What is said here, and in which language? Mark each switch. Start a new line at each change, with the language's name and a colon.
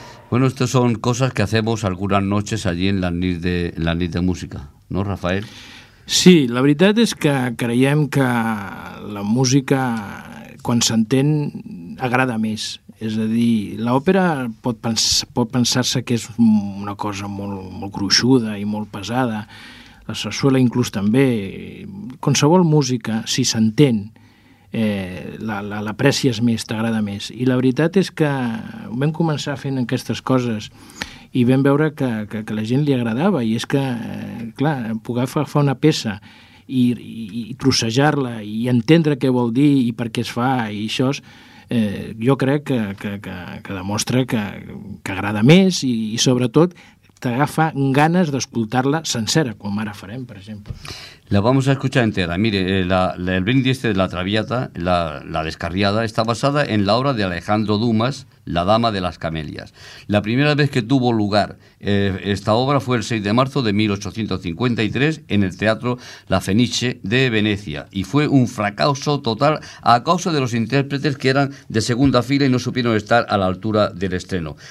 Spanish: Bueno, estas son cosas que hacemos algunas noches allí en la nit de música, ¿no, Rafael?
Catalan: Sí, la veritat és que creiem que la música, quan s'entén, agrada més. És a dir, l'òpera pot pensar-se que és una cosa molt, molt gruixuda i molt pesada. la sarsuela inclús també, qualsevol música, si s'entén, l'aprecies més, t'agrada més. I la veritat és que vam començar fent aquestes coses i vam veure que la gent li agradava, i és que, clar, poder agafar una peça i trossejar-la i entendre què vol dir i per què es fa i això, jo crec que demostra que agrada més i sobretot t'agafa ganes d'escoltar-la sencera, com ara farem, per exemple.
Spanish: La vamos a escuchar entera. Mire, el brindis de la Traviata, la Descarriada, está basada en la obra de Alejandro Dumas, La Dama de las Camelias. La primera vez que tuvo lugar esta obra fue el 6 de marzo de 1853 en el Teatro La Fenice de Venecia, y fue un fracaso total a causa de los intérpretes, que eran de segunda fila y no supieron estar a la altura del estreno.